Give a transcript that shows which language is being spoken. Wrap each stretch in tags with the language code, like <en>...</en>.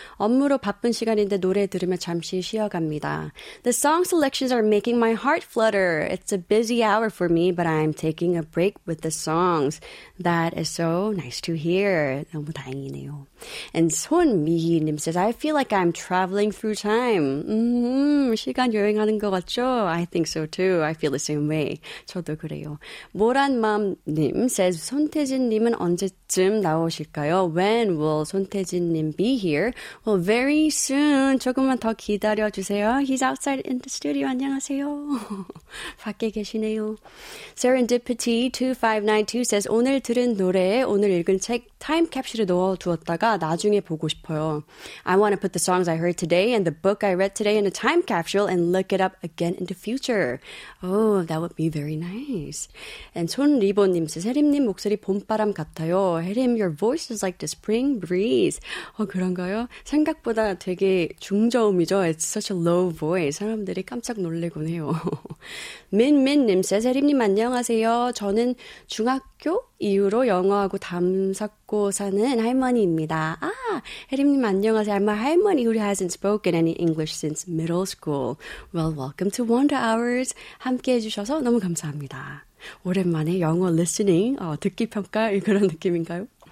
<ko>업무로 바쁜 시간인데 노래 들으며 잠시 쉬어갑니다.</ko> <en>The song selections are making my heart flutter. It's a busy hour for me, but I'm taking a break with the songs. That is so nice to hear.</en> <ko>너무 다행이네요.</ko> <en>And 손미희님 says, I feel like I'm traveling through time.</en> <ko>시간 여행하는 것 같죠?</ko> <en>I think so too. I feel the same way.</en> <ko>저도 그래요. 모란맘님</ko> <en>says,</en> <ko>손태진님은 언제쯤 나오실까요?</ko> <en>When will 손태진님 be here? Well, very soon.</en> <ko>조금만 더 기다려주세요.</ko> <en>He's outside in the studio.</en> <ko>안녕하세요. 밖에 계시네요. Serendipity2592</ko> <en>says,</en> <ko>오늘 들은 노래, 오늘 읽은 책, 타임 캡슐에 넣어두었다가 나중에 보고 싶어요.</ko> <en>I want to put the songs I heard today and the book I read today in a time capsule and look it up again in the future. Oh, that would be very nice. And 손리보님 says,</en> <ko>혜림님 목소리 봄바람 같아요.</ko> <en>혜림, your voice is like the spring breeze.</en> <ko>어, 그런가요? 생각보다 되게 중저음이죠?</ko> <en>It's such a low voice.</en> <ko>사람들이 깜짝 놀래곤 해요. Min님</ko> <en>says,</en> <ko>혜림님 안녕하세요. 저는 중학교 이후로 영어하고 담석고 사는 할머니입니다. 아, 혜림님 안녕하세요.</ko> <en>I'm a 할머니 who hasn't spoken any English since middle school. Well, welcome to Wonder Hours.</en> <ko>함께 해주셔서 너무 감사합니다. 오랜만에 영어 리스닝, 듣기 평가 그런 느낌인가요?</ko>